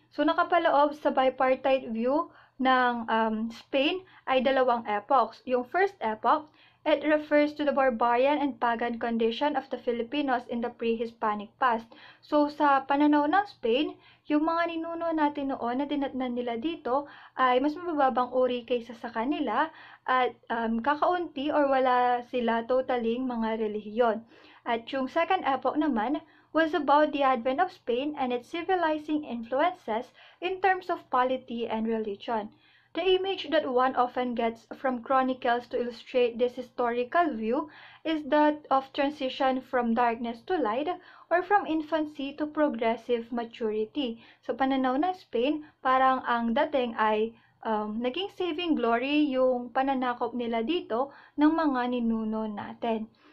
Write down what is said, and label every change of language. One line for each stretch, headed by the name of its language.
Filipino: So nakapaloob sa bipartite view ng Spain ay dalawang epochs.
English: Yung first epoch, it refers to the barbarian and pagan condition of the Filipinos in the pre-Hispanic past.
Filipino: So sa pananaw ng Spain, yung mga ninuno natin noon na dinatnan nila dito ay mas mababang uri kaysa sa kanila at kakaunti or wala sila totaling mga relihiyon. At yung
English: second epoch naman was about the advent of Spain and its civilizing influences in terms of polity and religion. The image that one often gets from chronicles to illustrate this historical view is that of transition from darkness to light or from infancy to progressive maturity.
Filipino: So pananaw ng Spain, parang ang dating ay naging saving glory yung pananakop nila dito ng mga ninuno natin.